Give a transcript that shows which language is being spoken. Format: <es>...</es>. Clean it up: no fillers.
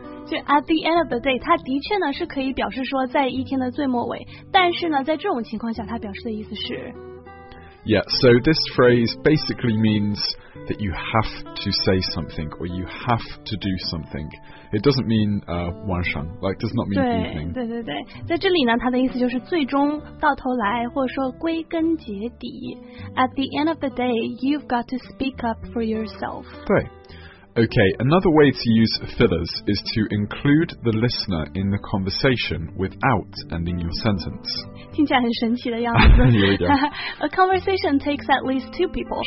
<zh>就</zh> <en>at the end of the day，</en> <zh>它的确呢是可以表示说在一天的最末尾，但是呢在这种情况下它表示的意思是。</zh> <en>Yeah, so this phrase basically means that you have to say something or you have to do something. It doesn't mean</en> <zh>晚上,</zh> <en>like does not mean</en> <zh>对,</zh> <en>evening.</en> <zh>对对对，在这里呢，它的意思就是最终到头来，或者说归根结底。</zh> <en>At the end of the day, you've got to speak up for yourself.</en> <zh>对。</zh> <en>Okay, another way to use fillers is to include the listener in the conversation without ending your sentence.</en> <zh>听起来很神奇的样子。</zh> <en>Here we go. A conversation takes at least two people.</en>